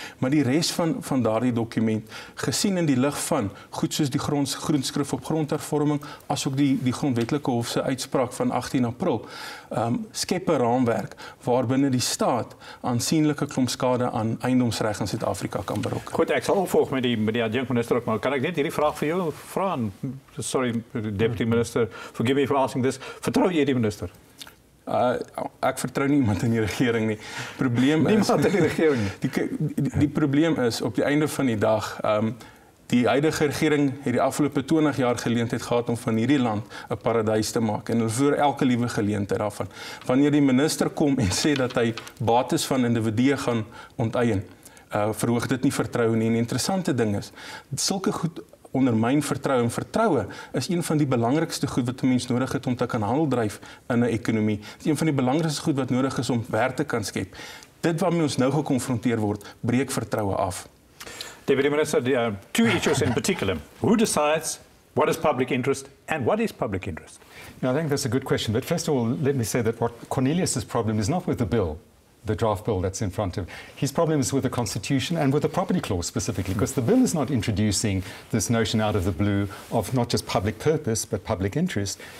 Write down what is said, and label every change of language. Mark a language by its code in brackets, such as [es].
[af] Maar die res van daardie dokument, gesien in die lig van goed soos die groenskrif op grondhervorming, as ook die grondwetlike hof se uitspraak van 18 April, skep 'n raamwerk waarbinne die staat aansienlike klomp skade aan eiendomsreg in Suid-Afrika kan berokken. Goed, ek sal opvolg met die adjunkminister ook, maar kan ek net hierdie vraag vir jou vra? [en] Sorry, deputy minister, forgive me for asking this. [af] Vertrou jy die minister? Ek vertrou nie iemand in die regering nie. Probleem is niemand in die regering nie. Die probleem is, op die einde van die dag, die huidige regering het die afgelope 20 jaar geleentheid gehad om van hierdie land 'n paradys te maak, en hulle voer elke liewe geleentheid daarvan. Wanneer die minister kom en sê dat hy bates van individue gaan onteien, verhoog dit nie vertroue nie. En die interessante ding is, sulke goed ondermyn vertroue, en vertroue is een van die belangrikste goed wat 'n mens nodig het om te kan handel dryf in 'n ekonomie. Dit is een van die belangrikste goed wat nodig is om werk te kan skep. Dit waarmee ons nou gekonfronteer word, breek vertroue af. [en] Deputy Minister, there are two issues in particular. Who decides what is public interest and what is public interest? Now, I think that's a good question. But first of all, let me say that what Cornelius's problem is not with the bill, the draft bill that's in front of him. His problem is with the Constitution and with the property clause specifically, because the bill is not introducing this notion out of the blue of not just public purpose but public interest.